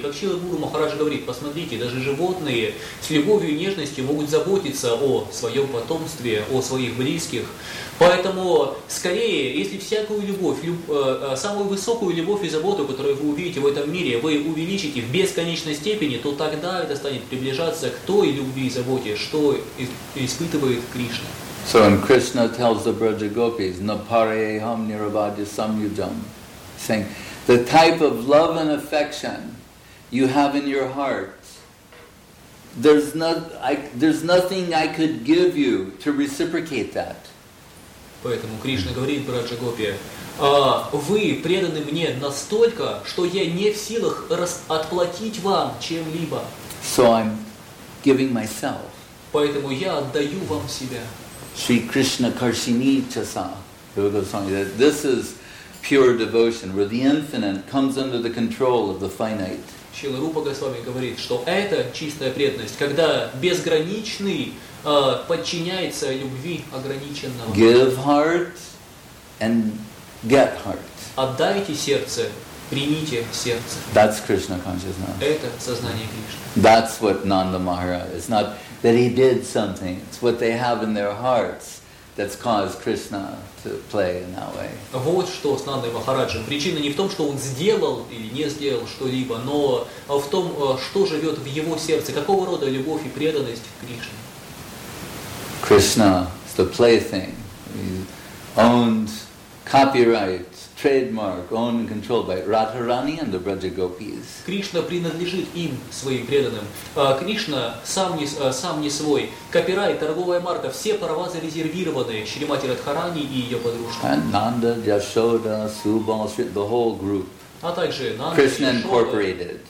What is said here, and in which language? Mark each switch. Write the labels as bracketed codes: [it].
[ru] Как Шрила Гуру Махарадж говорит, посмотрите, даже животные с любовью и нежностью могут заботиться о своем потомстве, о своих близких. Поэтому, скорее, если всякую любовь, самую высокую любовь и заботу, которую вы увидите в этом мире, вы увеличите в бесконечной степени, то тогда это станет приближаться к той любви и заботе, что испытывает Кришна. [en] So when Krishna tells the Braja Gopis, Napareham Niravadya Samyujam, saying, the type of love and affection you have in your heart, there's nothing I could give you to reciprocate that. [ru] Поэтому Кришна говорит Браджа Гопи, вы преданы мне настолько, что я не в силах отплатить вам чем-либо. [en] So I'm giving myself. [ru] Поэтому я отдаю вам себя. [en] Shri Krishna Karshini Chasa, Guru Goswami, that this is pure devotion, where the infinite comes under the control of the finite. [ru] Шрила Рупа Госвами говорит, что это чистая преданность, когда безграничный подчиняется любви ограниченного. [en] Give heart and get heart. [ru] Отдайте сердце, примите сердце. [en] That's Krishna consciousness. [ru] Это сознание Кришны. [en] That's what Nanda Maharaj is not. That he did something. It's what they have in their hearts that's caused Krishna to play in that way. [ru] Вот что с Нандой Махараджем. Причина не в том, что он сделал или не сделал что-либо, но в том, что живет в его сердце, какого рода любовь и преданность к Кришне. [en] Krishna is the plaything. He owned copyright trademark owned and controlled by Radharani and the Braja Gopis. [ru] Кришна принадлежит им, своим преданным. Кришна сам не свой. Копирайт, торговая марка, все права зарезервированы Шримати Радхарани и ее подружкой. [en] And Nanda, Yashoda, Subal, the whole group. [ru] А также Нанда, [en] Krishna Incorporated.